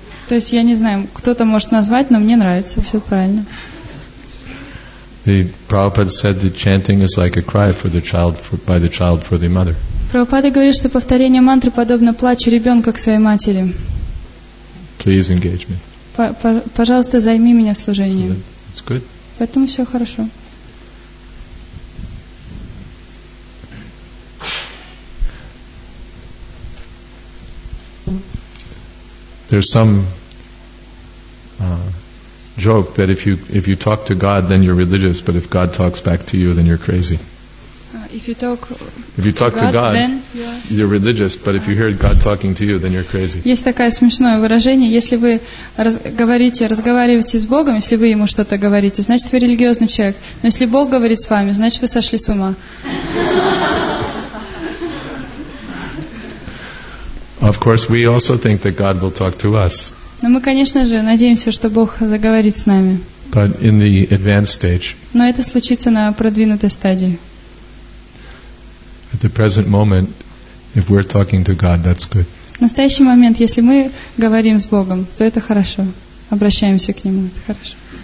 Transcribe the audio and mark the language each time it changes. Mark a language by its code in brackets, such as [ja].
[ru] То есть я не знаю, кто-то может назвать, но мне нравится, все правильно. [en] The Prabhupada said that chanting is like a cry for the child, by the child for the mother. [ru] Prabhupada говорит, что повторение мантры подобно плачу ребенка к своей матери. [en] Please engage me. [ru] Пожалуйста, займи меня в служении. [en] It's good. [ru] Поэтому все хорошо. [en] There's some joke that if you talk to God then you're religious, but if God talks back to you then you're crazy. If you talk to God, then you're religious, but if you hear God talking to you then you're crazy. [ru] Есть такое смешное выражение: если вы разговариваете с Богом, если вы ему что-то говорите, значит вы религиозный человек. Но если Бог говорит с вами, значит вы сошли с ума. [en] Of course, we also think that God will talk to us. [ru] Но мы, конечно же, надеемся, что Бог заговорит с нами. [en] But in the advanced stage. [ru] Но это случится на продвинутой стадии. [en] At the present moment, if we're talking to God, that's good. [ru] В настоящий момент, если мы говорим с Богом, то это хорошо. Обращаемся к Нему, это хорошо.